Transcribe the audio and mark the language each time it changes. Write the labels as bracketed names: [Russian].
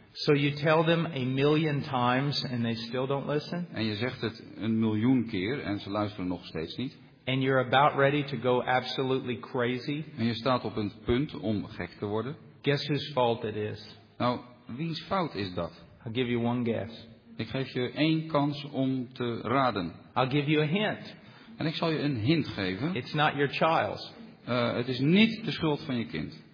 [English] So you tell them a million times and they still don't listen? [Dutch] En je zegt het een miljoen keer en ze luisteren nog steeds niet. [English] And you're about ready to go absolutely crazy? [Dutch] En je staat op het punt om gek te worden. [English] Guess whose fault it is? [Dutch] Nou, wiens fout is dat? [English] I'll give you one guess. [Dutch] Ik geef je één kans om te raden. [English] I'll give you a hint. [Dutch] En ik zal je een hint geven. [English] It's not your child's. [Dutch] Het is niet de schuld van je kind.